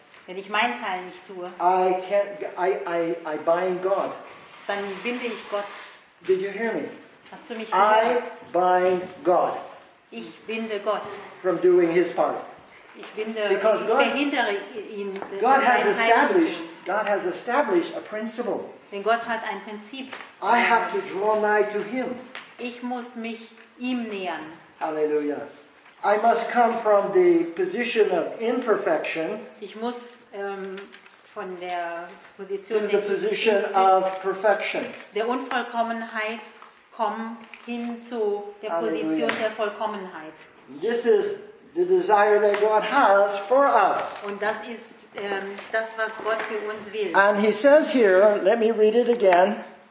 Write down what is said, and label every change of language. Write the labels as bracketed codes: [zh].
[de] wenn ich meinen Teil nicht tue, [en] I bind God. [de] Dann binde ich Gott. [en] Did you hear me? [de] Hast du mich gehört? [en] I bind God. [de] Ich binde Gott. [en] From doing his part. [de] Ich binde, [en] because [de] ich verhindere ihn, [en] God has established. God has established a principle. [de] Denn Gott hat ein Prinzip. [en] I have to draw nigh to him. [de] Ich muss mich ihm nähern. [en] Hallelujah. I must come from the position of imperfection. [de] Ich muss von der Position [en] to the position of perfection. [de] Der Unvollkommenheit kommen hin zu der Position der Vollkommenheit. [en] This is the desire that God has for us. [de] Und das ist das, was Gott für uns will. [en] And he says here, let me read it again.